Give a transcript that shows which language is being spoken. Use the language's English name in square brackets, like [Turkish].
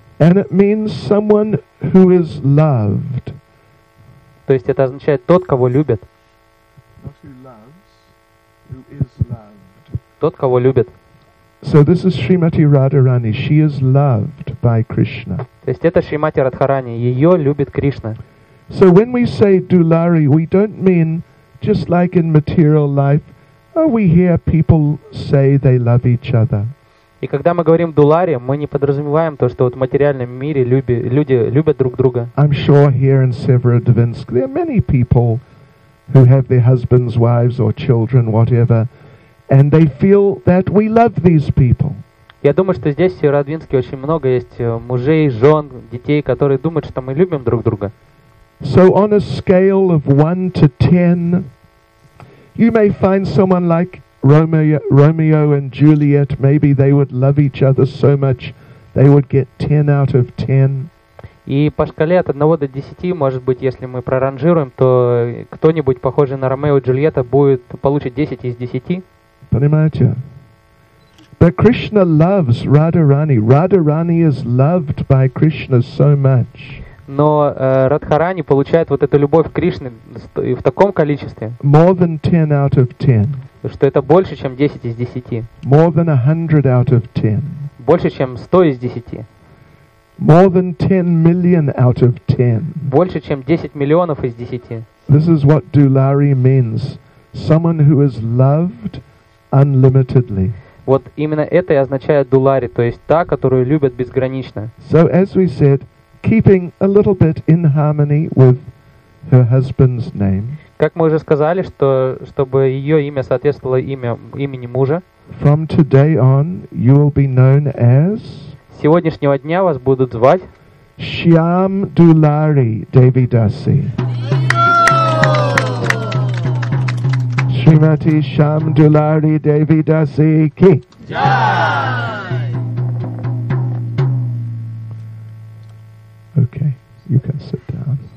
[English] And it means someone who is loved. [Russian] То есть это означает тот, кого любят. [English] Not who loves, who is loved. [Russian] Тот, кого любит. [English] So this is Shrimati Radharani. She is loved by Krishna. [Russian] То есть это Шримати Радхарани. Ее любит Кришна. [English] So when we say dulari, we don't mean just like in material life. Oh, we hear people say they love each other. [Russian] И когда мы говорим дулари, мы не подразумеваем то, что вот в материальном мире люди любят друг друга. [English] I'm sure here in Severodvinsk there are many people who have their husbands, wives, or children, whatever. And they feel that we love these people. [Russian] Я думаю, что здесь в Северодвинске очень много есть мужей, жен, детей, которые думают, что мы любим друг друга. [English] So on a scale of 1 to 10, you may find someone like Romeo and Juliet. Maybe they would love each other so much they would get 10 out of 10. [Russian] И по шкале от 1 до 10, может быть, если мы проранжируем, то кто-нибудь похожий на Ромео и Джульетта будет получить 10 из 10. Понимаете? [English] But Krishna loves Radharani. Radharani is loved by Krishna so much. [Russian] Но Радхарани получает вот эту любовь Кришны в таком количестве. [English] More than 10 out of 10. [Russian] Что это больше, чем 10 из 10. [English] More than 100 out of 10. [Russian] Больше, чем 100 из 10. [English] More than 10 million out of 10. [Russian] Больше чем 10 миллионов из 10. [English] This is what Dulari means. Someone who is loved unlimitedly. [Russian] Вот именно это и означает Дулари, то есть та, которую любят безгранично. [English] So as we said, keeping a little bit in harmony with her husband's name. [Russian] Как мы уже сказали, что чтобы её имя соответствовало имени мужа. [English] From today on, you will be known as [Russian] С сегодняшнего дня вас будут звать Шьям Дулари Девидаси. Шримати Шьям Дулари Девидаси Ки. [English] Okay, you can sit down.